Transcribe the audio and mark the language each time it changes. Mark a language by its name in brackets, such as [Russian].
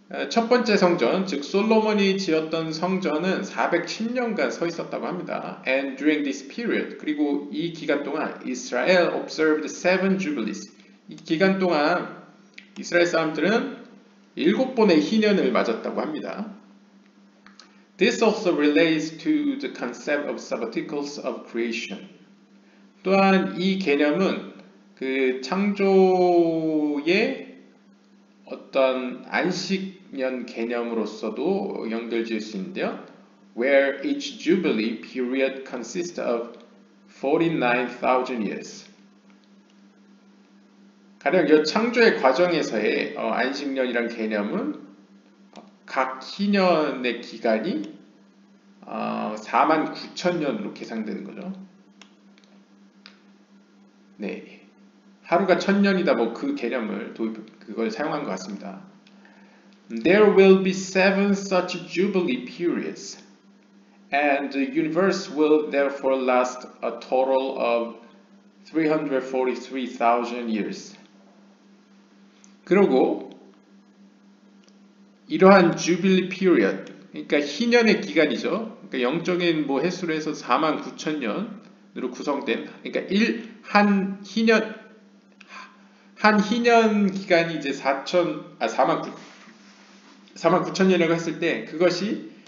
[Korean] 첫 번째 성전, 즉 솔로몬이 지었던 성전은 410년간 서 있었다고 합니다. [English] And during this period, [Korean] 그리고 이 기간 동안 이스라엘 [English] observed seven jubilees. [Korean] 이 기간 동안 이스라엘 사람들은 일곱 번의 희년을 맞았다고 합니다. [English] This also relates to the concept of sabbaticals of creation. [Korean] 또한 이 개념은 그 창조의 어떤 안식 년 개념으로서도 연결지을 수 있는데요. [English] Where each jubilee period consists of 49,000 years. [Korean] 가령 이 창조의 과정에서의 안식년이란 개념은 각 희년의 기간이 49,000년으로 계산되는 거죠. 네. 하루가 1,000년이다 뭐그 개념을 그걸 사용한 것 같습니다. [English] There will be seven such jubilee periods, and the universe will therefore last a total of 343,000 years. [Korean] 그러고 이러한 [English] jubilee period, [Korean] 그러니까 희년의 기간이죠. 그러니까 영적인 뭐 횟수로 해서 49,000년으로 구성된, 그러니까 한 희년 기간이 이제 49,000년이라고 했을 때 그것이